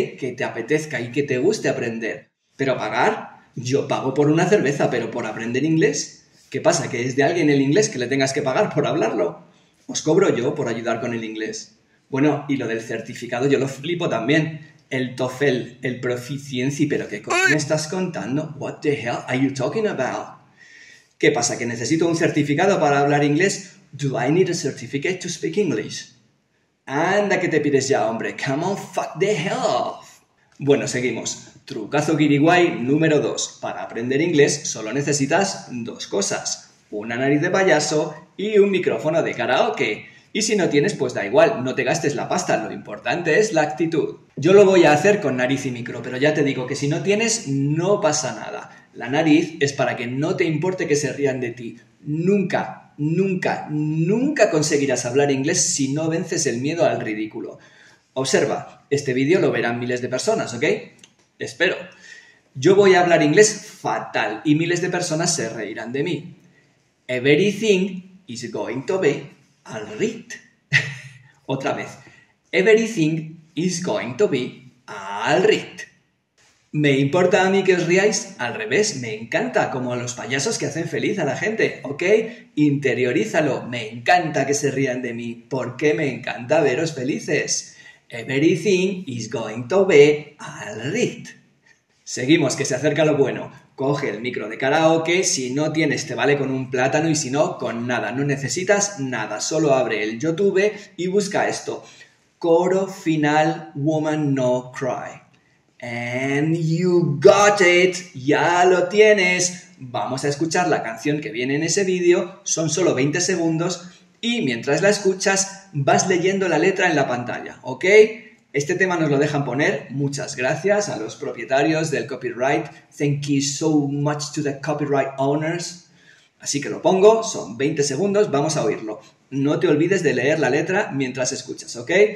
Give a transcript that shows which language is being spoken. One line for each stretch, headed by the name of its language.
Spanish: Que te apetezca y que te guste aprender. Pero pagar, yo pago por una cerveza, pero por aprender inglés, ¿qué pasa? ¿Que es de alguien el inglés que le tengas que pagar por hablarlo? Os cobro yo por ayudar con el inglés. Bueno, y lo del certificado yo lo flipo también. El TOEFL, el Proficiency, pero ¿qué coño me estás contando?
English: What the hell are you talking about?
Spanish: ¿Qué pasa, que necesito un certificado para hablar inglés?
English: Do I need a certificate to speak English?
Spanish: Anda que te pides ya, hombre.
English: Come on, fuck the hell.
Spanish: Bueno, seguimos. Trucazo Guiriguay número 2. Para aprender inglés solo necesitas dos cosas. Una nariz de payaso y un micrófono de karaoke. Y si no tienes, pues da igual, no te gastes la pasta, lo importante es la actitud. Yo lo voy a hacer con nariz y micro, pero ya te digo que si no tienes, no pasa nada. La nariz es para que no te importe que se rían de ti. Nunca, nunca, nunca conseguirás hablar inglés si no vences el miedo al ridículo. Observa, este vídeo lo verán miles de personas, ¿ok? Espero. Yo voy a hablar inglés fatal y miles de personas se reirán de mí.
English: Everything is going to be... All right.
Spanish: Otra vez.
English: Everything is going to be all right.
Spanish: ¿Me importa a mí que os riáis? Al revés, me encanta, como a los payasos que hacen feliz a la gente, ¿ok? Interiorízalo, me encanta que se rían de mí, porque me encanta veros felices.
English: Everything is going to be all right.
Spanish: Seguimos, que se acerca lo bueno. Coge el micro de karaoke, si no tienes te vale con un plátano y si no, con nada. No necesitas nada, solo abre el YouTube y busca esto. Coro final,
English: woman no cry. And you got it,
Spanish: ya lo tienes. Vamos a escuchar la canción que viene en ese vídeo, son solo 20 segundos y mientras la escuchas vas leyendo la letra en la pantalla, ¿ok? Este tema nos lo dejan poner. Muchas gracias a los propietarios del copyright.
English: Thank you so much to the copyright owners.
Spanish: Así que lo pongo. Son 20 segundos. Vamos a oírlo. No te olvides de leer la letra mientras escuchas, ¿ok?